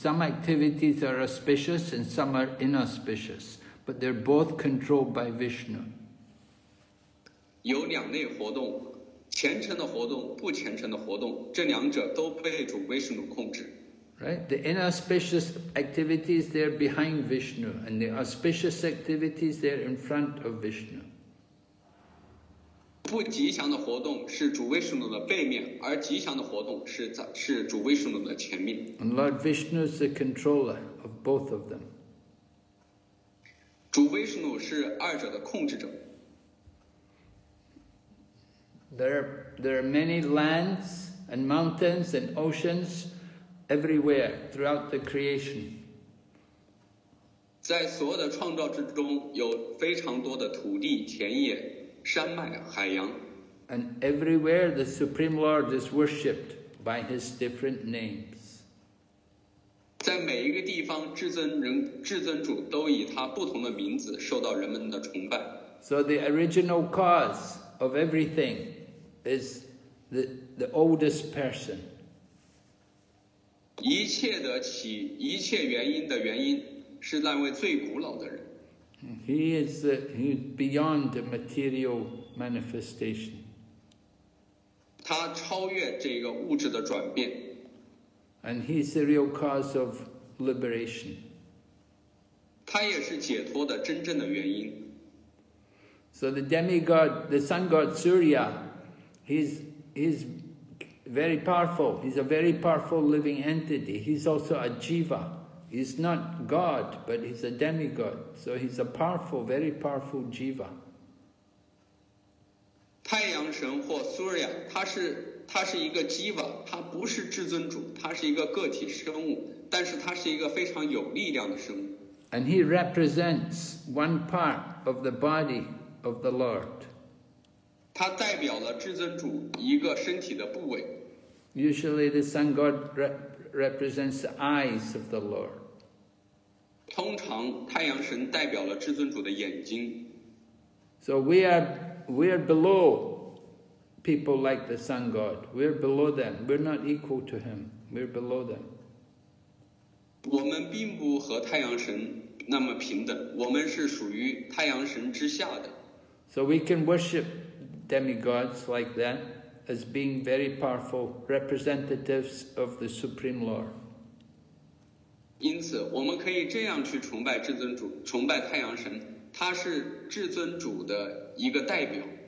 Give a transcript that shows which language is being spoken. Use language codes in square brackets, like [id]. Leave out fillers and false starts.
[en] Some activities are auspicious and some are inauspicious, but they're both controlled by Vishnu. [zh] 有两类活动，虔诚的活动，不虔诚的活动，这两者都被主威士努控制。 [en] Right, the inauspicious activities they're behind Vishnu, and the auspicious activities they're in front of Vishnu. [zh] 不吉祥的活动是主威士努的背面，而吉祥的活动是主威士努的前面。 [en] And Lord Vishnu is the controller of both of them. [zh] 主威士努是二者的控制者。 [en] There are many lands and mountains and oceans everywhere throughout the creation. [zh] 在所有的创造之中，有非常多的土地、田野、山脉、海洋。 [en] And everywhere the Supreme Lord is worshipped by his different names. [zh] 在每一个地方，至尊主都以他不同的名字受到人们的崇拜。 [en] So the original cause of everything. Is the oldest person. [zh] 一切的起，一切原因的原因是那位最古老的人。 [en] He is beyond the material manifestation. [zh] 他超越这个物质的转变。 [en] And he's the real cause of liberation. [zh] 他也是解脱的真正的原因。 [en] So the demigod, the sun god Surya, he's very powerful. He's a very powerful living entity. He's also a jiva. He's not God, but he's a demigod. So he's a powerful, very powerful jiva. [zh] 太阳神或 Surya, 他是一个 jiva, 他不是至尊主，他是一个个体生物，但是他是一个非常有力量的生物。 [en] And he represents one part of the body of the Lord. [zh] 他代表了至尊主一个身体的部位。 [en] Usually the sun god represents the eyes of the Lord. [zh] 通常太阳神代表了至尊主的眼睛。 [en] So we are below people like the sun god. We're below them. We're not equal to him. We're below them. [zh] 我们并不和太阳神那么平等，我们是属于太阳神之下的。 [en] So we can worship demigods like that as being very powerful representatives of the Supreme Lord. [zh] 因此，我们可以这样去崇拜至尊主，崇拜太阳神，他是至尊主的一个代表。